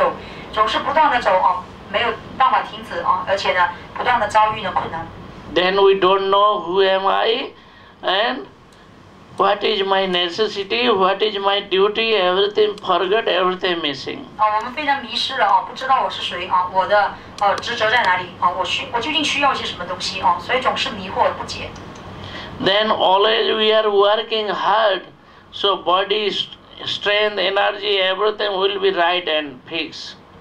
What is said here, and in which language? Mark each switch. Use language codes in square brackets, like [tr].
[zh] 所以呢，苏克德布双明讲到了这种物质生活呢，有时候仿如海洋啊，或者说仿如呢在森林中行走，总是不断的走。没有办法停止，而且呢，不断的遭遇了困难。 [en] Then we don't know who am I, and what is my necessity, what is my duty, everything forgot, everything missing. [zh] 我们非常迷失了，不知道我是谁，我的职责在哪里，我究竟需要些什么东西，所以总是迷惑不解。 [en] Then always we are working hard, so body, strength, energy, everything will be right and fixed.